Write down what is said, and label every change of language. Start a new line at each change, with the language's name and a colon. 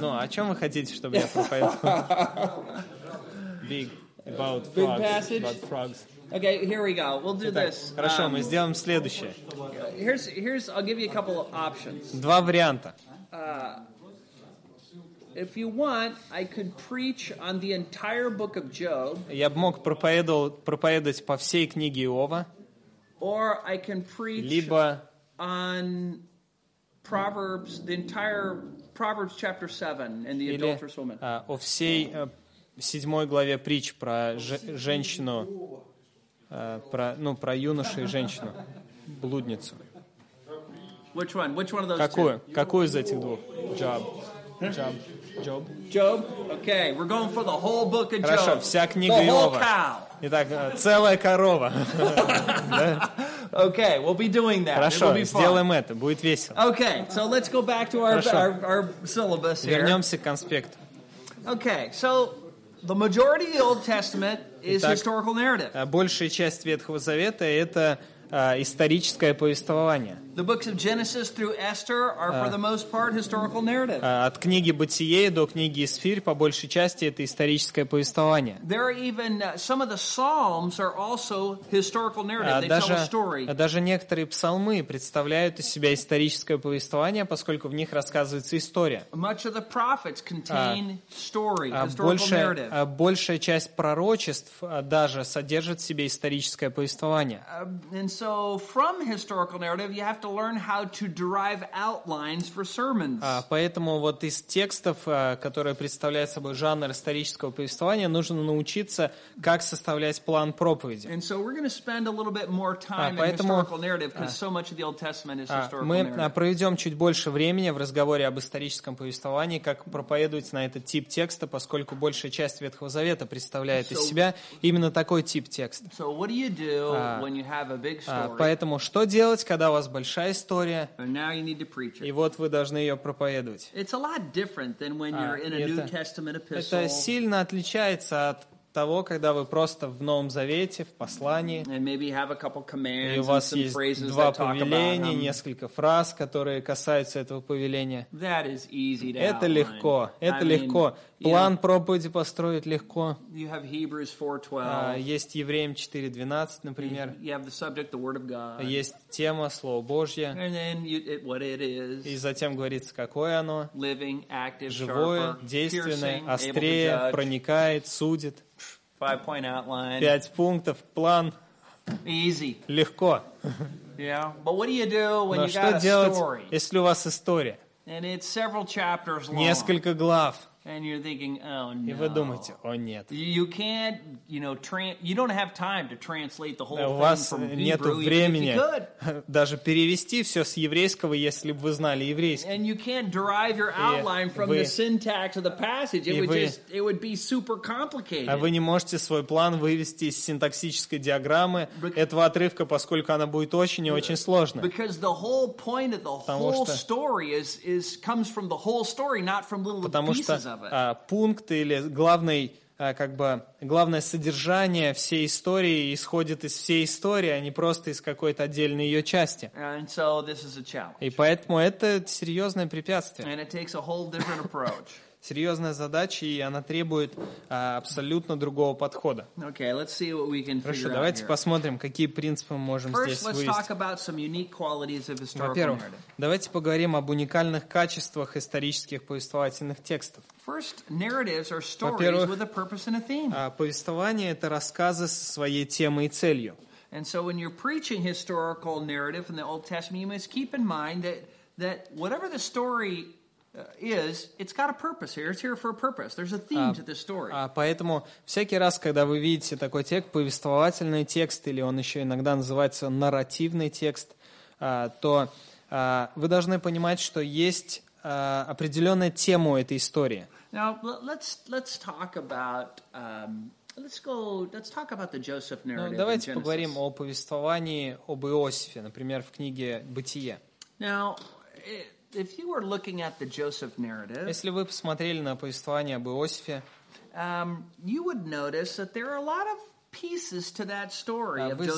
Russian: No, о чем вы хотите, чтобы я проповедовал?
English: Big about big frogs. Passage? About frogs. Okay, here we go. We'll do
Russian: Итак,
English: this.
Russian: Хорошо, мы сделаем следующее.
English: Here's. I'll give you a couple of options.
Russian: Два варианта.
English: If you want, I could preach on the entire book of Job.
Russian: Я бы мог проповедовать по всей книге Иова.
English: Or I can preach
Russian: либо
English: on Proverbs, the entire Proverbs chapter 7 and the
Russian: или,
English: adulterous woman.
Russian: О всей седьмой главе притч про женщину, про юношу и женщину, блудницу.
English: Which one? Which one of those
Russian: какую?
English: Two?
Russian: Какую из этих двух?
English: Job. Job. Okay, we're going for the whole book of
Russian: Хорошо,
English: Job.
Russian: Вся книга
English: the
Russian: Иова.
English: Whole cow.
Russian: Итак, целая корова.
English: Okay, we'll be doing that.
Russian: Хорошо,
English: be
Russian: сделаем это, будет весело.
English: Okay, so let's go back to our syllabus here.
Russian: Вернемся к конспекту.
English: Okay, so the majority of the Old Testament is
Russian: Итак,
English: historical narrative.
Russian: Большая часть Ветхого Завета — это историческое повествование.
English: The books of Genesis through Esther are for the most part historical narrative.
Russian: От книги Бытие до книги Эсфирь по большей части это историческое повествование.
English: There are even some of the Psalms are also historical narrative. They tell a story.
Russian: Даже некоторые псалмы представляют из себя историческое повествование, поскольку в них рассказывается история.
English: Much of the prophets contain story, historical narrative.
Russian: Большая часть пророчеств даже содержит в себе историческое повествование.
English: And so from historical narrative you have to learn how to derive outlines for sermons.
Russian: Поэтому вот из текстов, которые представляют собой жанр исторического повествования, нужно научиться, как составлять план проповеди.
English: And so we're going to spend a little bit more time in historical narrative because so much of the Old Testament is historical narrative.
Russian: Мы проведем чуть больше времени в разговоре об историческом повествовании, как проповедовать на этот тип текста, поскольку большая часть Ветхого Завета представляет из себя именно такой тип текста.
English: So what do you do when you have a big story?
Russian: Поэтому что делать, когда у вас большая история,
English: now you need to preach it.
Russian: И вот вы должны ее проповедовать.
English: It's a lot different than when you're in a New Testament epistle.
Russian: Это сильно отличается от того, когда вы просто в Новом Завете, в послании,
English: and maybe have a couple commands,
Russian: и у вас
English: and some
Russian: есть
English: phrases
Russian: два повеления, несколько фраз, которые касаются этого повеления.
English: That is easy to
Russian: это легко, это
English: I
Russian: легко.
English: Mean,
Russian: план проповеди построить легко.
English: You have Hebrews 4:12.
Russian: Есть Евреям 4:12, например.
English: You have the subject, the word of God.
Russian: Есть тема, Слово Божье.
English: And then you, it, what it is.
Russian: И затем говорится, какое оно.
English: Living, active,
Russian: живое,
English: sharper,
Russian: действенное,
English: piercing,
Russian: острее,
English: able to judge.
Russian: Проникает, судит.
English: 5-point outline.
Russian: 5 пунктов, план.
English: Easy.
Russian: Легко.
English: Yeah, but what do you do when
Russian: Но
English: you got
Russian: делать,
English: a story?
Russian: Если у вас история?
English: And it's several chapters long.
Russian: Несколько глав.
English: And you're thinking, oh no.
Russian: И вы думаете, о нет.
English: You can't, you know, you don't have time to translate the whole thing from Hebrew.
Russian: У вас нету времени даже перевести все с еврейского, если бы вы знали еврейский.
English: And you can't derive your outline from the syntax of the passage. It would be super complicated.
Russian: А вы не можете свой план вывести из синтаксической диаграммы этого отрывка, поскольку она будет очень и очень сложной.
English: Because the whole point of the whole story is comes from the whole story, not from little pieces.
Russian: Пункт или главный, как бы, главное содержание всей истории исходит из всей истории, а не просто из какой-то отдельной ее части.
English: And so this is a challenge.
Russian: И поэтому это серьезное препятствие.
English: And it takes a whole different approach.
Russian: Серьезная задача, и она требует абсолютно другого подхода.
English: Okay, let's see what we can
Russian: Хорошо,
English: figure
Russian: давайте
English: out
Russian: посмотрим,
English: here.
Russian: Какие принципы мы можем
English: First,
Russian: здесь
English: let's
Russian: вывести.
English: Talk about some unique qualities of historical
Russian: Во-первых,
English: narrative.
Russian: Давайте поговорим об уникальных качествах исторических повествовательных текстов.
English: First, narratives are stories with a purpose and a theme.
Russian: Повествование — это рассказы со своей темой и целью.
English: And so when you're preaching historical narrative in the Old Testament, you must keep in mind that whatever the story is, it's got a purpose here. It's here for a purpose. There's a theme to this story.
Russian: Поэтому всякий раз, когда вы видите такой текст, повествовательный текст, или он еще иногда называется нарративный текст, то вы должны понимать, что есть определенная тема у этой истории.
English: Now, let's talk about the Joseph narrative.
Russian: Ну, давайте поговорим о повествовании об Иосифе, например, в книге Бытие.
English: Now, if you were looking at the Joseph narrative,
Russian: если вы посмотрели на повествование об Иосифе,
English: you would notice that there are a lot of pieces to that story of Joseph's